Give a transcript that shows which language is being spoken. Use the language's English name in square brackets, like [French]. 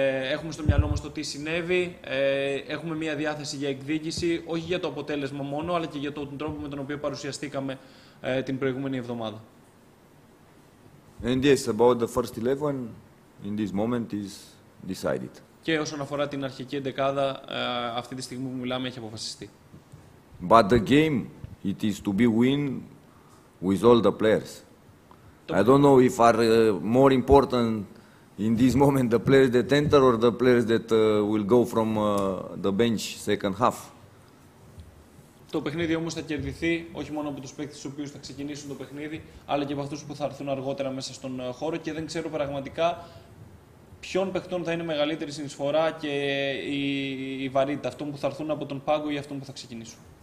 [Greek] Έχουμε στο μυαλό μας το τι συνέβη, έχουμε μια διάθεση για εκδίκηση, όχι για το αποτέλεσμα μόνο, αλλά και για τον τρόπο με τον οποίο παρουσιαστήκαμε την προηγούμενη εβδομάδα. [English] And yes, about the first 11, in this moment is decided. [Greek] Και όσον αφορά την αρχική εντεκάδα, αυτή τη στιγμή που μιλάμε, έχει αποφασιστεί. [English] But the game, it is to be win with all the players. I don't know if are more important in this moment the players that enter or the players that will go from the bench second half. [Greek] Το παιχνίδι όμως θα κερδιθεί όχι μόνο από τους παίκτες τους οποίους θα ξεκινήσουν το παιχνίδι, αλλά και από αυτούς που θα έρθουν αργότερα μέσα στον χώρο, και δεν ξέρω πραγματικά ποιον παιχτών θα είναι μεγαλύτερη συνεισφορά και η βαρύτητα, αυτών που θα έρθουν από τον πάγκο ή αυτών που θα ξεκινήσουν.